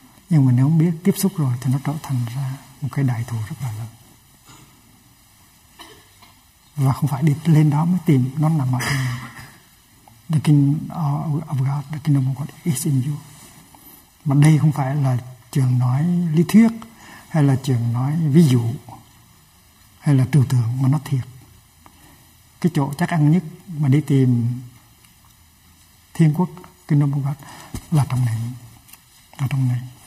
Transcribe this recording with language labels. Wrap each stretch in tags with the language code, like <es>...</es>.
<vi>Nhưng mà nếu biết tiếp xúc rồi thì nó trở thành ra một cái đại thù rất là lớn. Và không phải đi lên đó mới tìm, nó nằm ở trong mình.</vi> <en>The Kingdom of God, the Kingdom of God is in you.</en> <vi>Mà đây không phải là trường nói lý thuyết, hay là trường nói ví dụ, hay là trừu tượng, mà nó thiệt. Cái chỗ chắc ăn nhất mà đi tìm Thiên Quốc, Kingdom of God, là trong này. Là trong này.</vi>